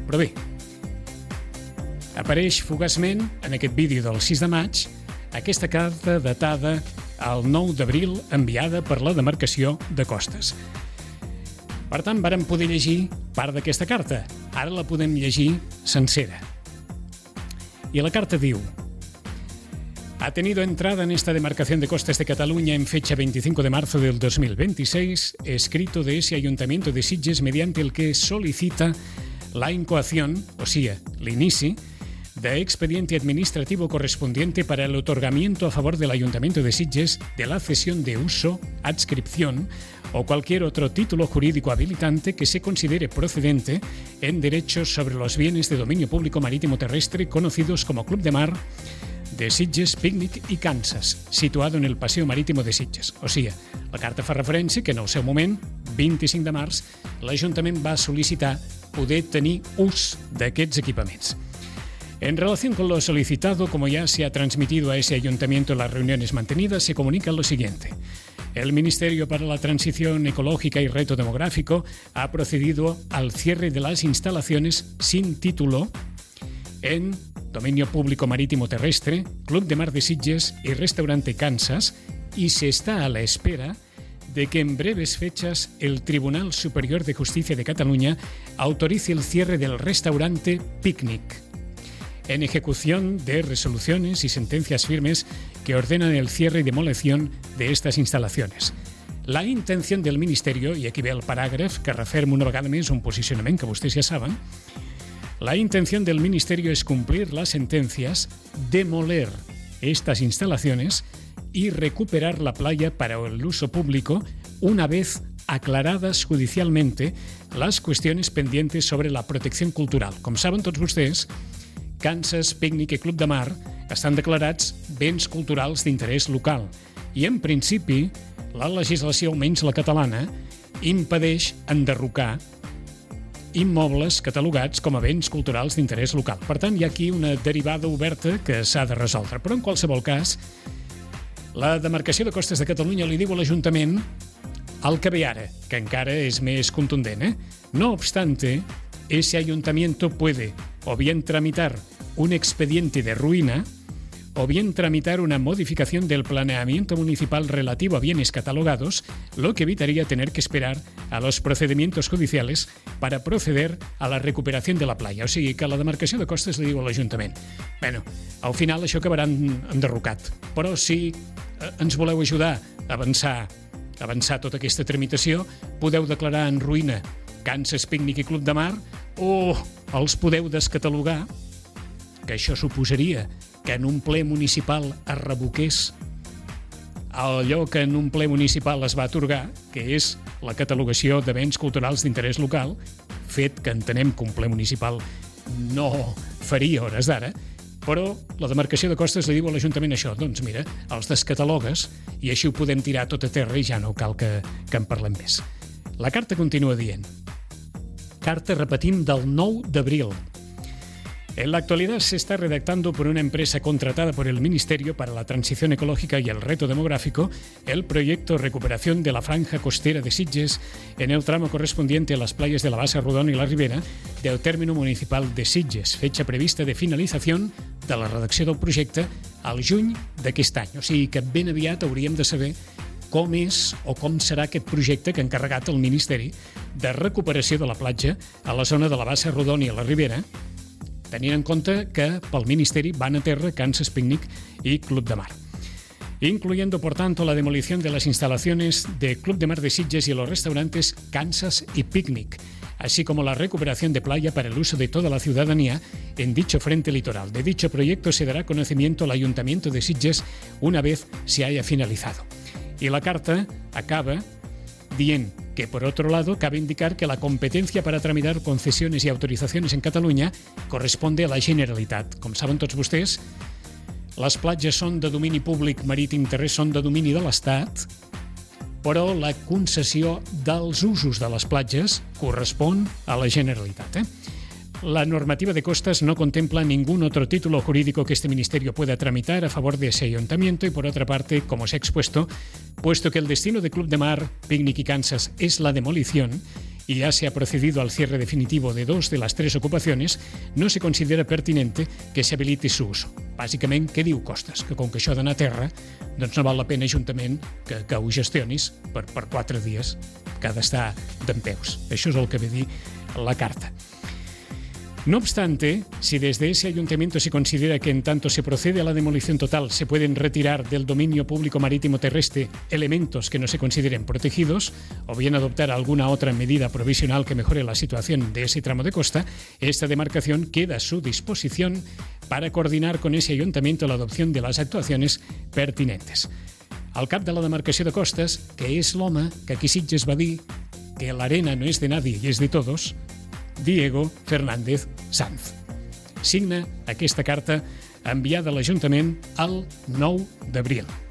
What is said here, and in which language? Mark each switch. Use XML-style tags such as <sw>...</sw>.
<ca>Però bé, apareix fugaçment en aquest vídeo del 6 de maig aquesta carta datada el 9 d'abril enviada per la demarcació de costes. Per tant, vàrem poder llegir part d'aquesta carta. Ara la podem llegir sencera. I la carta diu:</ca> <es>ha tenido entrada en esta demarcación de costes de Cataluña en fecha 25 de marzo del 2026 escrito de ese Ayuntamiento de Sitges mediante el que solicita la incoación, o sea,</es> <ca>l'inici,</ca> <es>de expediente administrativo correspondiente para el otorgamiento a favor del Ayuntamiento de Sitges de la cesión de uso, adscripción o cualquier otro título jurídico habilitante que se considere procedente en derechos sobre los bienes de dominio público marítimo terrestre conocidos como Club de Mar de Sitges, Picnic y Kansas, situado en el Paseo Marítimo de Sitges.</es> <ca>O sea, la carta fa referència que en el seu moment, 25 de març, l'Ajuntament va sol·licitar poder tenir ús d'aquests equipaments.</ca> <es>En relación con lo solicitado, como ya se ha transmitido a ese ayuntamiento en las reuniones mantenidas, se comunica lo siguiente. El Ministerio para la Transición Ecológica y Reto Demográfico ha procedido al cierre de las instalaciones sin título en Dominio Público Marítimo Terrestre, Club de Mar de Sitges y Restaurante Kansas, y se está a la espera de que en breves fechas el Tribunal Superior de Justicia de Cataluña autorice el cierre del restaurante Picnic, en ejecución de resoluciones y sentencias firmes que ordenan el cierre y demolición de estas instalaciones. La intención del Ministerio, y</es> <ca>aquí ve el parágrafo que referma una vegada més</ca> <es>un posicionamiento que ustedes ya saben, la intención del Ministerio es cumplir las sentencias, demoler estas instalaciones y recuperar la playa para el uso público una vez aclaradas judicialmente las cuestiones pendientes sobre la protección cultural.</es> <ca>Com saben tots vostès, Kansas Picnic i Club de Mar estan declarats béns culturals d'interès local i, en principi, la legislació, almenys la catalana, impedeix enderrocar immobles catalogats com a béns culturals d'interès local. Per tant, hi ha aquí una derivada oberta que s'ha de resoldre. Però, en qualsevol cas, la demarcació de costes de Catalunya li diu a l'Ajuntament el que ve ara, que encara és més contundent.</ca> <es>No obstante, ese ayuntamiento puede o bien tramitar un expediente de ruina o bien tramitar una modificación del planeamiento municipal relativo a bienes catalogados, lo que evitaría tener que esperar a los procedimientos judiciales para proceder a la recuperación de la playa.</es> <ca>O sigui, que la demarcació de costes li diu a l'Ajuntament. Bueno, al final això acabarà enderrocat. Però si ens voleu ajudar a avançar tota aquesta tramitació, podeu declarar en ruïna Kansas Picnic i Club de Mar o els podeu descatalogar, que això suposaria que en un ple municipal es revoqués allò que en un ple municipal es va atorgar, que és la catalogació de béns culturals d'interès local, fet que entenem que un ple municipal no faria hores d'ara, però la demarcació de costes li diu a l'Ajuntament això. Doncs mira, els descatalogues i així ho podem tirar tot a terra i ja no cal que en parlem més. La carta continua dient. Carta, repetim, del 9 d'abril.</ca> <es>En la actualidad se está redactando por una empresa contratada por el Ministerio para la Transición Ecológica y el Reto Demográfico el proyecto Recuperación de la Franja Costera de Sitges en el tramo correspondiente a las playas de la Bassa Rodona y la Ribera del término municipal de Sitges, fecha prevista de finalización de la</es> <ca>redacció del projecte al juny d'aquest any. O sigui que ben aviat hauríem de saber com és o com serà aquest projecte que ha encarregat el Ministeri de Recuperació de la Platja a la zona de la Bassa Rodona i la Ribera, tenint en compte que pel Ministeri van a terra Kansas Picnic i Club de Mar.</ca> <es>Incluyendo, por tanto, la demolición de las instalaciones de Club de Mar de Sitges y los restaurantes Kansas y Picnic, así como la recuperación de playa para el uso de toda la ciudadanía en dicho frente litoral. De dicho proyecto se dará conocimiento al Ayuntamiento de Sitges una vez se haya finalizado. Y la carta</es> <ca>acaba dient que,</ca> <es>por otro lado, cabe indicar que la competencia para tramitar concesiones y autorizaciones en Cataluña corresponde a la Generalitat.</es> <ca>Com saben tots vostès, les platges són de domini públic marítim terrestre, són de domini de l'Estat, però la concessió dels usos de les platges correspon a la Generalitat.</ca> <es>La normativa de costas no contempla ningún otro título jurídico que este ministerio pueda tramitar a favor de ese ayuntamiento y, por otra parte, como se ha expuesto, puesto que el destino de Club de Mar, Picnic y Kansas es la demolición y ya se ha procedido al cierre definitivo de dos de las tres ocupaciones, no se considera pertinente que se habilite su uso.</es> <ca>Bàsicament, què diu Costas? Que com que això ha d'anar a terra, doncs no val la pena, juntament, que ho gestionis per quatre dies, que ha d'estar dempeus. Això és el que ve a dir la carta.</ca> <es>No obstante, si desde ese ayuntamiento se considera que en tanto se procede a la demolición total, se pueden retirar del dominio público marítimo terrestre elementos que no se consideren protegidos, o bien adoptar alguna otra medida provisional que mejore la situación de ese tramo de costa, esta demarcación queda a su disposición para coordinar con ese ayuntamiento la adopción de las actuaciones pertinentes.</es> <ca>Al cap de la demarcació de costes, que és l'home que aquí Sitges va dir que</ca> <es>l'arena no és de nadie y es de todos,</es> <ca>Diego Fernández Sanz. Signa aquesta carta enviada a l'Ajuntament el 9 d'abril.</ca>